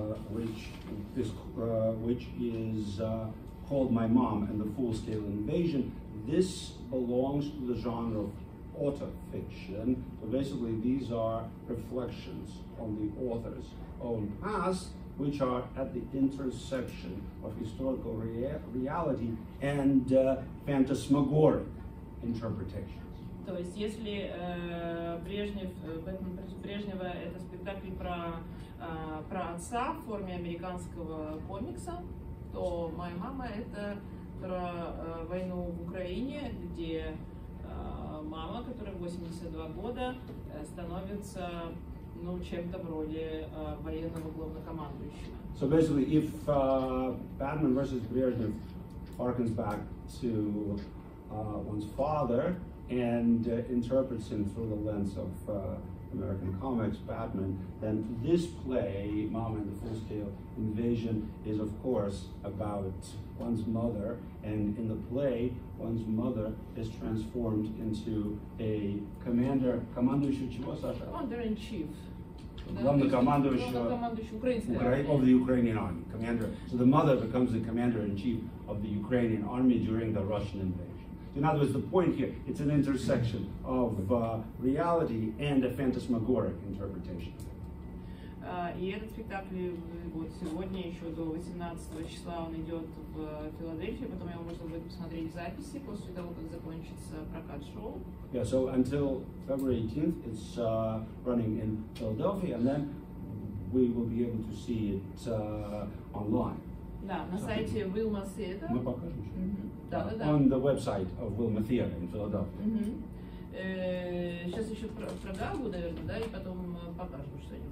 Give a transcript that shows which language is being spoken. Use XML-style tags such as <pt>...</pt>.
<en>which is called My Mom and the Full-Scale Invasion, this belongs to the genre of autofiction, but basically these are reflections on the author's own past, which are at the intersection of historical reality and phantasmagoric interpretations.</en> <ru>То есть, если Брежнева это спектакль про отца в форме американского комикса, то «Моя мама» это про войну в Украине, где мама, которая 82 года, становится ну чем-то вроде военного главнокомандующего.</ru> <en>So basically, if Batman versus Brezhnev harkens back to one's father and interprets him through the lens of American comics, Batman, then this play, Mama and the Full-Scale Invasion, is of course about one's mother, and in the play, one's mother is transformed into a commander.</en> <ru>Командующий чего, Саша?</ru> <en>Commander-in-chief. Of the Ukrainian army, commander. So the mother becomes the commander-in-chief of the Ukrainian army during the Russian invasion. In other words, the point here, it's an intersection of reality and a phantasmagoric interpretation.</en> <ru>И этот спектакль вот сегодня еще до 18 числа он идет в Филадельфии, потом его можно будет посмотреть в записи после того, как закончится прокат шоу.</ru> <en>Yeah, so until February 18th it's running in Philadelphia, and then we will be able to see it online.</en> <ru>Да, на сайте Wilma Theatre. Мы покажем еще. Да.</ru> <en>On the website of Wilma Theatre in Philadelphia.</en> <ru>Сейчас еще продагу, наверное, да, и потом покажем что-нибудь.</ru>